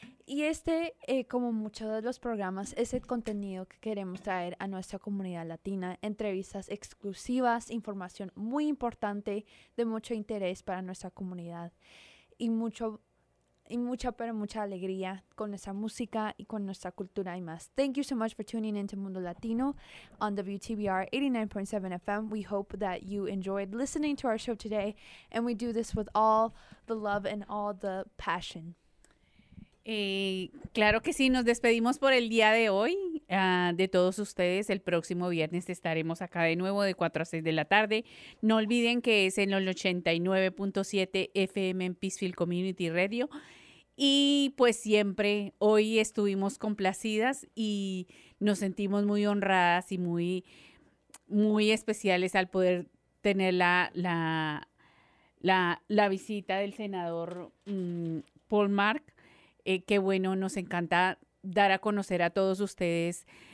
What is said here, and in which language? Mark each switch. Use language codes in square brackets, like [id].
[es] Y este, como muchos de los programas, es el contenido que queremos traer a nuestra comunidad latina. Entrevistas exclusivas, información muy importante, de mucho interés para nuestra comunidad. Y mucha alegría con nuestra música y con nuestra cultura y más. [en] Thank you so much for tuning in to Mundo Latino on WTBR 89.7 FM. We hope that you enjoyed listening to our show today, and we do this with all the love and all the passion. [es] Claro que sí, nos despedimos por el día de hoy de todos ustedes. El próximo viernes estaremos acá de nuevo de 4 a 6 de la tarde. No olviden que es en los 89.7 FM en Peacefield Community Radio. Y pues siempre, hoy estuvimos complacidas y nos sentimos muy honradas y muy, muy especiales al poder tener la visita del senador Paul Mark. Qué bueno, nos encanta dar a conocer a todos ustedes